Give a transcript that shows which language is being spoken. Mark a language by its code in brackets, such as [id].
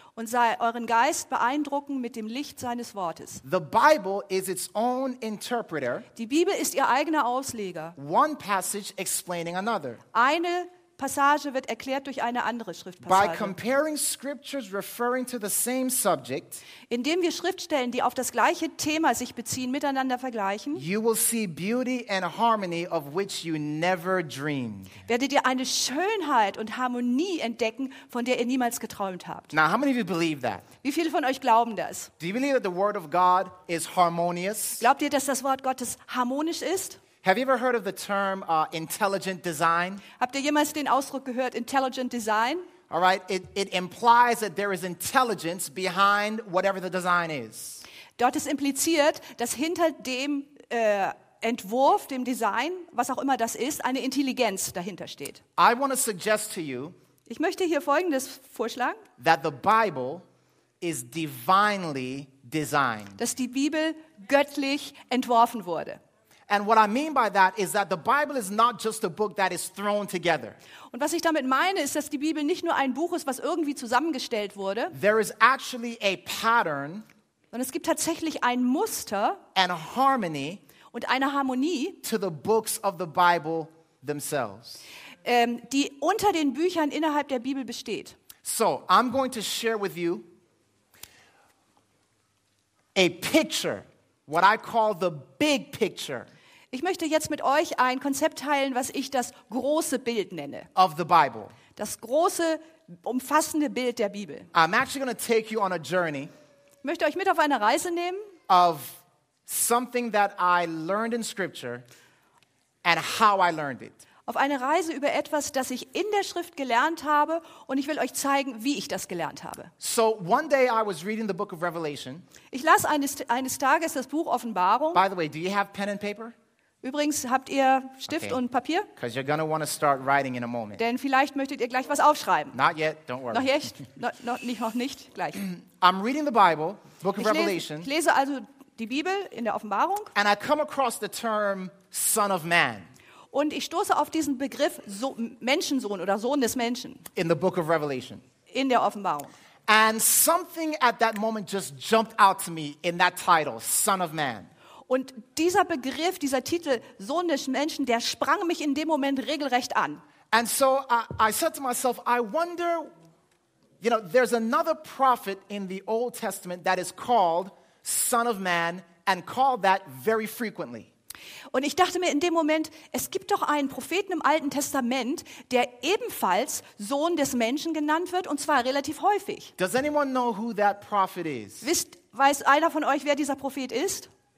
[de] und sei euren Geist beeindrucken mit dem Licht seines Wortes. [en] The Bible is its own interpreter, [de] die Bibel ist ihr eigener Ausleger, [en] one passage explaining another, [de] eine Passage wird erklärt durch eine andere Schriftpassage. [en] By comparing scriptures referring to the same subject, [de] indem wir Schriftstellen, die auf das gleiche Thema sich beziehen, miteinander vergleichen, [en] you will see beauty and harmony of which you never dreamed. [de] Werdet ihr eine Schönheit und Harmonie entdecken, von der ihr niemals geträumt habt. [en] Now, how many of you believe that? [de] Wie viele von euch glauben das? [en] Do you believe that the word of God is harmonious? [de] Glaubt ihr, dass das Wort Gottes harmonisch ist? [en] Have you ever heard of the term intelligent design? [de] Habt ihr jemals den Ausdruck gehört, [en] intelligent design? All right, it implies that there is intelligence behind whatever the design is. [de] Dort ist impliziert, dass hinter dem Entwurf, dem Design, was auch immer das ist, eine Intelligenz dahinter steht. [en] I want to suggest to you, [de] ich möchte hier Folgendes vorschlagen, [en] that the Bible is divinely designed. [de] Dass die Bibel göttlich entworfen wurde. [en] And what I mean by that is that the Bible is not just a book that is thrown together. [de] Und was ich damit meine, ist, dass die Bibel nicht nur ein Buch ist, was irgendwie zusammengestellt wurde. [en] There is actually a pattern. [de] Sondern es gibt tatsächlich ein Muster. [en] And a harmony. [de] Und eine Harmonie. [en] To the books of the Bible themselves. [de] Die unter den Büchern innerhalb der Bibel besteht. [en] So, I'm going to share with you a picture, what I call the big picture. [de] Ich möchte jetzt mit euch ein Konzept teilen, was ich das große Bild nenne. [en] Of the Bible. [de] Das große, umfassende Bild der Bibel. [en] I'm actually going to take you on a journey. [de] Ich möchte euch mit auf eine Reise nehmen. [en] Of something that I learned in Scripture and how I learned it. [de] Auf eine Reise über etwas, das ich in der Schrift gelernt habe, und ich will euch zeigen, wie ich das gelernt habe. [en] So one day I was reading the book of Revelation. [de] Ich las eines Tages das Buch Offenbarung. [en] By the way, do you have pen and paper? [de] Übrigens, habt ihr Stift und Papier? [en] Because you're gonna want to start writing in a moment. [de] Denn vielleicht möchtet ihr gleich was aufschreiben. [en] Not yet, don't worry. [de] Noch nicht, noch nicht gleich. [en] I'm reading the Bible, book of Revelation. [de] Ich lese also die Bibel in der Offenbarung. [en] And I come across the term Son of Man. [de] Und ich stoße auf diesen Begriff Menschensohn oder Sohn des Menschen. [en] In the book of Revelation. [de] In der Offenbarung. [en] And something at that moment just jumped out to me in that title, Son of Man. [de] Und dieser Begriff, dieser Titel, Sohn des Menschen, der sprang mich in dem Moment regelrecht an. [en] And so I said to myself, I wonder, you know, there's another prophet in the Old Testament that is called Son of Man and called that very frequently. [de] Und ich dachte mir in dem Moment, es gibt doch einen Propheten im Alten Testament, der ebenfalls Sohn des Menschen genannt wird, und zwar relativ häufig. [en] Does anyone know who that prophet is? [de] Weiß einer von euch, wer dieser Prophet ist?